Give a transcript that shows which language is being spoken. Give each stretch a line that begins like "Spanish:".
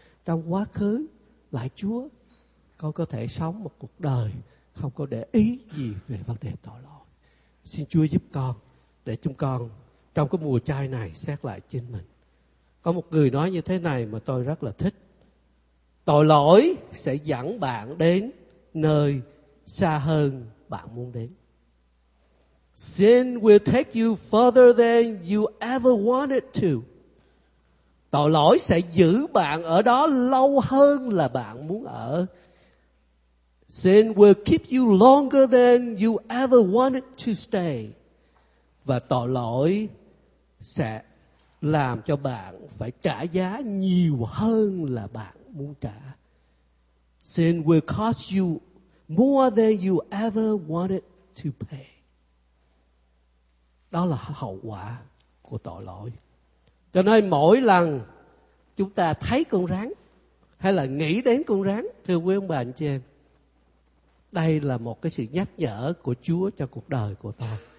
Vietnamese: Trong quá khứ, lại Chúa, con có thể sống một cuộc đời không có để ý gì về vấn đề tội lỗi. Xin Chúa giúp con, để chúng con trong cái mùa chay này xét lại chính mình. Có một người nói như thế này mà tôi rất là thích. Tội lỗi sẽ dẫn bạn đến nơi xa hơn bạn muốn đến.
English: Sin will take you further than you ever wanted to.
Vietnamese: Tội lỗi sẽ giữ bạn ở đó lâu hơn là bạn muốn ở.
English: Sin will keep you longer than you ever wanted to stay.
Vietnamese: Và tội lỗi sẽ làm cho bạn phải trả giá nhiều hơn là bạn muốn trả.
English: Sin will cost you more than you ever wanted to pay.
Vietnamese: Đó là hậu quả của tội lỗi. Cho nên mỗi lần chúng ta thấy con rắn hay là nghĩ đến con rắn, thưa quý ông bà anh chị em, đây là một cái sự nhắc nhở của Chúa cho cuộc đời của tôi.